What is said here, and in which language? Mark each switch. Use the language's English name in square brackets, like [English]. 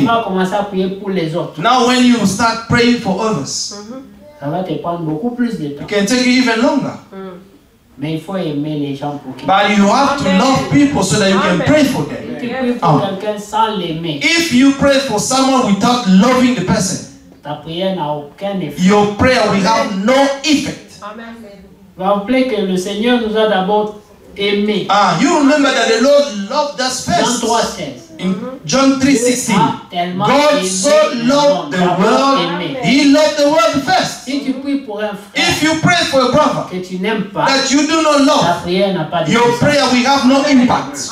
[French] Tu vas commencer à prier pour les autres. [English] Now when you start praying for others. [French] Ça va te prendre beaucoup plus de temps. [English] It can take you even longer. [French] Mais il faut aimer les gens pour qu'ils. [English] But you have to love people so that you can pray for them. [French] Tu pries pour quelqu'un sans l'aimer. [English] If you pray for someone without loving the person. [French] Ta prière n'a aucun effet. [English] Your prayer will have no effect. Amen. [French] Vous vous rappelez que le Seigneur nous a d'abord aimés. [English] Ah, you remember that the Lord loved us first. [French] Jean 3:16. [English] In John 3:16, God so loved the world, He loved the world first. [French] Si tu pries pour un frère, [English] if you pray for a brother [French] que tu n'aimes pas, [English] that you do not love, [French] ta prière n'a pas de [English] your sens. Prayer will have no impact.